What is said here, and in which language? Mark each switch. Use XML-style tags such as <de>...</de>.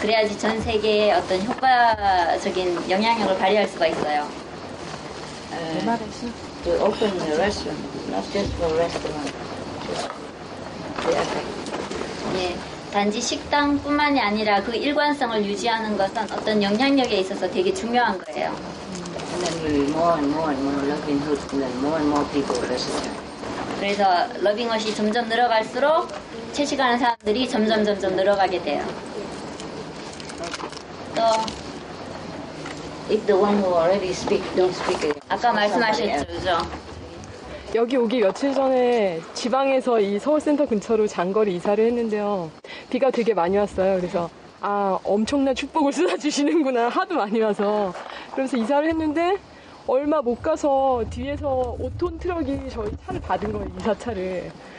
<ko>그래야지 전 세계에 어떤 효과적인 영향력을 발휘할 수가 있어요.</ko> <en>To open the restaurant, not just for restaurant. The effect.</en> <ko>예, 단지 식당뿐만이 아니라 그 일관성을 유지하는 것은 어떤 영향력에 있어서 되게 중요한 거예요.</ko> <en>And then we more and more loving hood, and then more and more people restaurant.</en> <ko>그래서 러빙헛이 점점 늘어갈수록 채식하는 사람들이 점점 늘어가게 돼요.</ko> <en>또 If the one who already speak, don't speak it.</en> <ko>아까 말씀하셨죠, 그죠? 여기 오기 며칠 전에 지방에서 이 서울센터 근처로 장거리 이사를 했는데요. 비가 되게 많이 왔어요. 그래서 아 엄청난 축복을 쏟아주시는구나 하도 많이 와서 그러면서 이사를 했는데 얼마 못 가서 뒤에서 5톤 트럭이 저희 차를 받은 거예요. 이사차를.</ko>